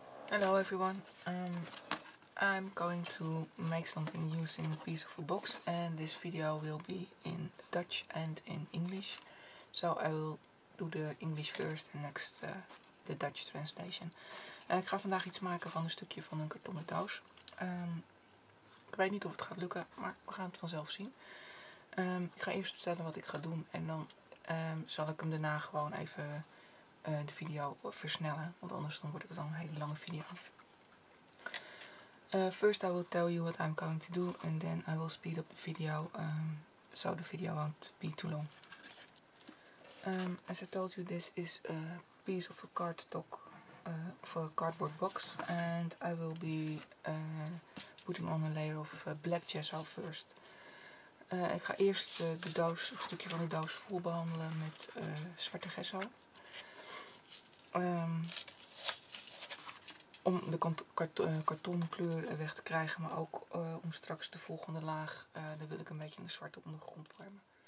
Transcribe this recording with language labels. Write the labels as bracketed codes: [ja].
[en] Hello everyone, I'm going to make something using a piece of a box, and this video will be in Dutch and in English. So I will do the English first and next the Dutch translation. [nl] Ik ga vandaag iets maken van een stukje van een kartonnen doos. Ik weet niet of het gaat lukken, maar we gaan het vanzelf zien. Ik ga eerst vertellen wat ik ga doen en dan zal ik hem daarna gewoon even de video versnellen, want anders dan wordt het wel een hele lange video. [en] First I will tell you what I'm going to do and then I will speed up the video so the video won't be too long. As I told you, this is a piece of a cardstock for a cardboard box and I will be putting on a layer of black gesso first. [nl] Ik ga eerst de doos, een stukje van de doos, vol behandelen met zwarte gesso. Om de kartonkleur weg te krijgen, maar ook om straks de volgende laag, daar wil ik een beetje een zwarte ondergrond vormen.